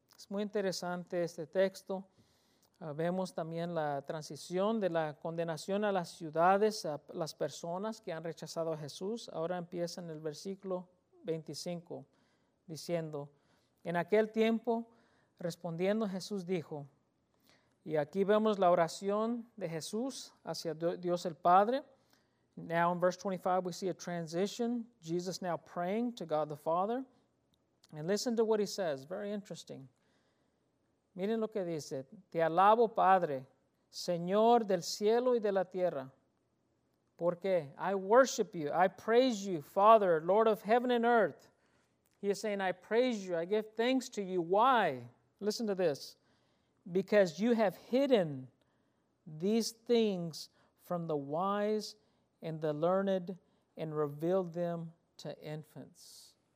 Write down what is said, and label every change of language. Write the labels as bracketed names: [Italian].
[Spanish] Es muy interesante este texto. Vemos también la transición de la condenación a las ciudades, a las personas que han rechazado a Jesús. Ahora empieza en el versículo 25 diciendo, en aquel tiempo, respondiendo, Jesús dijo, y aquí vemos la oración de Jesús hacia Dios el Padre, [English] Now in verse 25, we see a transition. Jesus now praying to God the Father. And listen to what he says. Very interesting. [Spanish] Miren lo que dice. Te alabo, Padre, Señor del cielo y de la tierra. ¿Por qué? [English] I worship you. I praise you, Father, Lord of heaven and earth. He is saying, I praise you. I give thanks to you. Why? Listen to this. Because you have hidden these things from the wise and the learned and revealed them to infants.